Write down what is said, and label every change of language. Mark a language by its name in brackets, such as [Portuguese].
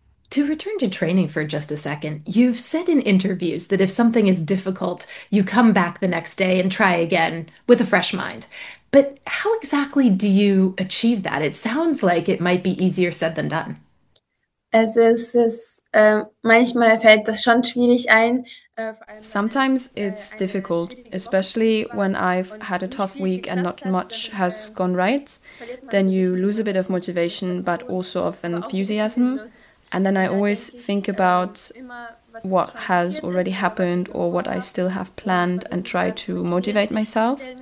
[English] To return to training for just a second, you've said in interviews that if something is difficult, you come back the next day and try again with a fresh mind. But how exactly do you achieve that? It sounds like it might be easier said than done. [German] Also es ist, manchmal fällt das schon schwierig ein. [English] Sometimes it's difficult, especially when I've had a tough week and not much has gone right. Then you lose a bit of motivation, but also of enthusiasm. And then I always think about what has already happened or what I still have planned and try to motivate myself.